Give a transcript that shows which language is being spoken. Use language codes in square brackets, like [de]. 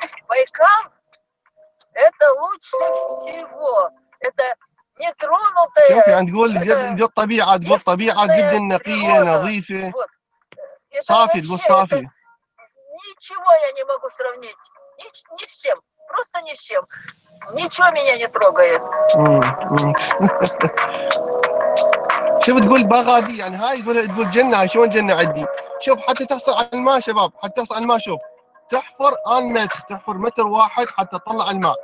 [ru] байкал это лучше всего это не тронутое [ar] شوف يعني تقول جد طبيعه، تقول طبيعه جدا نقيه نظيفه صافي، تقول صافي [ru] ничего я не могу сравнить ни с чем просто ни с чем ничего меня не трогает. [ar] شوف تقول بغادي يعني هاي تقول جنة، شلون جنة عندي؟ شوف حتى تحصل على الماء شباب، حتى تحصل على الماء شوف تحفر آن متر، تحفر متر واحد حتى تطلع الماء.